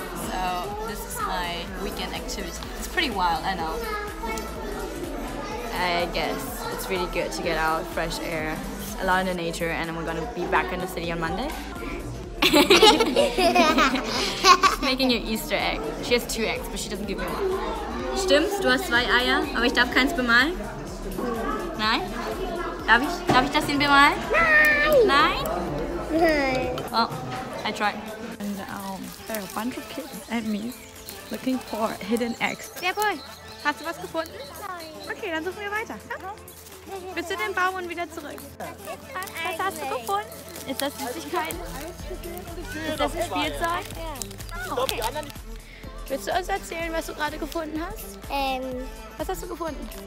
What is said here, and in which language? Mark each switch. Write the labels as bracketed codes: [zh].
[en] So this is my weekend activity. It's pretty wild, I know. I guess it's really good to get out fresh air. a lot in the nature, and we're gonna be back in the city on Monday. She's making your Easter egg. She has two eggs, but she doesn't give me one. [de] Stimmt, du hast zwei Eier, aber ich darf keins bemalen. Nein? Darf ich das denn bemalen? Nein! Nein? Nein. [en] Well, I tried. And there are a bunch of kids and me looking for hidden eggs. [de] Ja, boy. Hast du was gefunden? Nein. Okay, dann suchen wir weiter. Komm. Bist du in den Baum und wieder zurück? Was hast du gefunden? Ist das Süßigkeiten? Ist das ein Spielzeug? Ja. Oh, okay. Willst du uns erzählen, was du gerade gefunden hast? Was hast du gefunden?